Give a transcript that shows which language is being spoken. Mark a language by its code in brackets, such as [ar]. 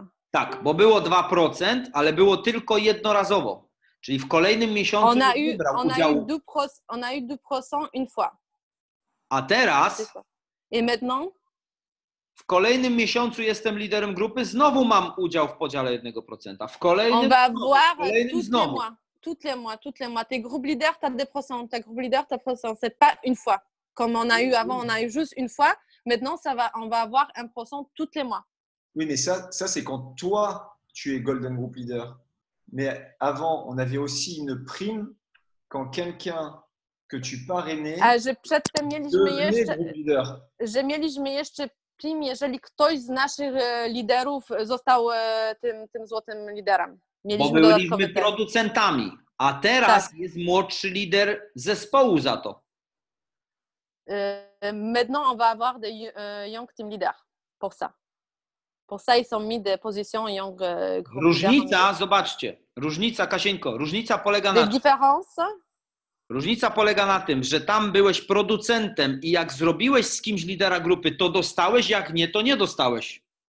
[pl] Tak, bo było 2%, ale było tylko jednorazowo. Czyli w kolejnym miesiącu ona nie brał udziału. [fr] Ona eu 2% une fois. [pl] A teraz? [fr] I maintenant? [pl] W kolejnym miesiącu jestem liderem grupy, znowu mam udział w podziale 1%. W kolejnym znowu. [fr] Toutes les mois, toutes les mois. Tes groupes leaders, t'as 2%. Tes groupes leaders, t'as 2%. C'est pas une fois. Comme on a eu avant, on a eu juste une fois. Maintenant, on va avoir 1% toutes les mois. Oui, mais ça, c'est quand toi, tu es Golden Group Leader. Mais avant, on avait aussi une prime quand quelqu'un que tu parrainais devenait Group Leader. [pl] Prim, jeżeli ktoś z naszych liderów został tym złotym liderem. Mieliśmy bo byliśmy producentami, a teraz tak. Jest młodszy lider zespołu za to. [fr] Maintenant on va avoir des young team leaders pour ça. Pour ça ils sont mis de position young group. [pl] Różnica, zobaczcie, różnica, Kasieńko, różnica polega na... [fr] Différence? [pl] Różnica polega na tym, że tam byłeś producentem i jak zrobiłeś z kimś lidera grupy, to dostałeś, jak nie, to nie dostałeś.